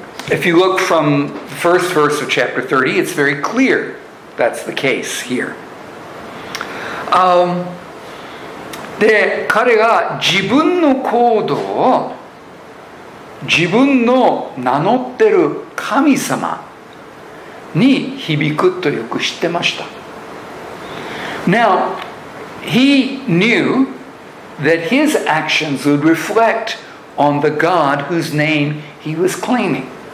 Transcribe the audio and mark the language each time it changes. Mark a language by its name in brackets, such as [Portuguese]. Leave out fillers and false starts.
[English] If you look from the first verse of chapter 30, it's very clear that's the case here. [Japanese] で、彼が自分の行動を自分の名乗ってる神様に響くとよく知ってました。 [English] Now, he knew that his actions would reflect on the God whose name he was claiming.